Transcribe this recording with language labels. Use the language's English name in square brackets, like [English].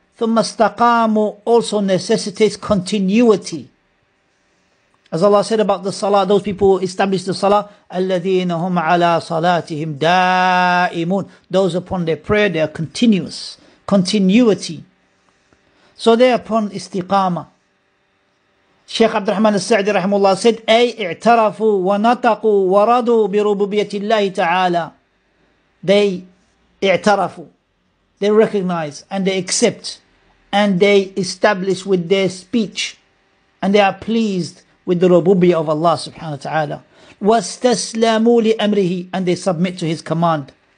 [Arabic] ثُمَّ اسْتَقَامُ [English] also necessitates continuity. As Allah said about the salah, those people who establish the salah, [Arabic] الَّذِينَ هُمْ عَلَىٰ صَلَاتِهِمْ دَائِمُونَ, [English] those upon their prayer, they are continuous, continuity. So they are upon istiqamah. Shaykh Abdul Rahman al-Sa'di rahimahullah said, [Arabic] أَيْ اِعْتَرَفُوا وَنَطَقُوا وَرَضُوا بِرُبُوبِيَةِ اللَّهِ تَعَالَىٰ. [English] They [Arabic] اِعْتَرَفُوا, [English] they recognize and they accept and they establish with their speech and they are pleased with the rububiyyah of Allah subhanahu wa ta'ala. [Arabic] وَاسْتَسْلَمُوا لِأَمْرِهِ, [English] and they submit to his command.